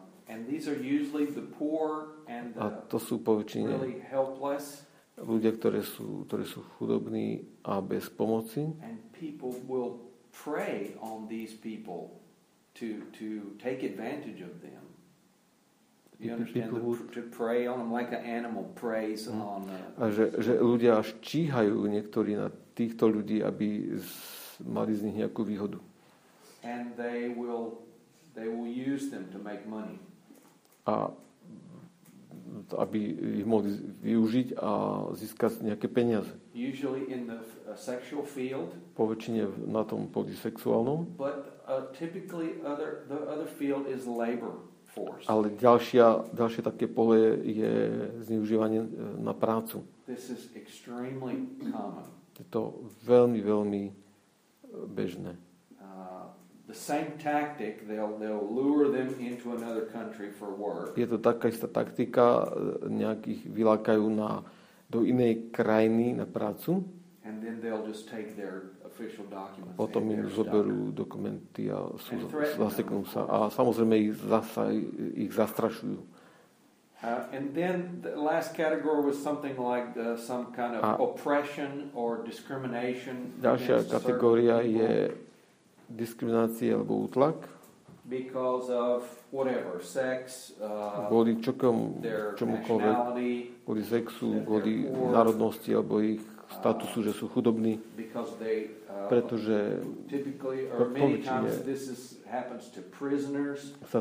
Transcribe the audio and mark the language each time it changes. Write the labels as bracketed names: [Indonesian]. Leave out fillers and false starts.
[English] And these are usually the poor and the [Slovak] to sú poväčšine [English] really helpless. [Slovak] Ľudia, ktorí sú chudobní a bez pomoci. [English] And people will prey on these people to take advantage of them. You understand? To prey on them like an animal preys on [Slovak] a že ľudia až číhajú niektorí na týchto ľudí, aby mali z nich nejakú výhodu. [English] And they will use them to make money. [Slovak] A aby ich mohli využiť a získať nejaké peniaze. [English] Usually in the sexual field. [Slovak] Poväčšine na tom poli sexuálnom. [English] But typically the other field is labor force. [Slovak] Ale ďalšie také pole je zneužívanie na prácu. [English] This is extremely common. [Slovak] Je to veľmi, veľmi bežné. [English] The same tactic, they'll lure them into another country for work. [Slovak] Je to taká istá taktika, nejakých vylákajú do inej krajiny na prácu. [English] And then they'll just take their official documents. [Slovak] Potom im zoberú dokumenty a sú zaseknú sa. A samozrejme ich zastrašujú. [English] And then the last category was something like some kind of oppression or discrimination. [Slovak] Ďalšia kategória je diskriminácie alebo útlak. [English] Because of whatever, sex, [Slovak] kvôli čomukoľvek, kvôli sexu, kvôli národnosti alebo ich statusu, že sú chudobní, pretože [English] typically or many times this happens to prisoners,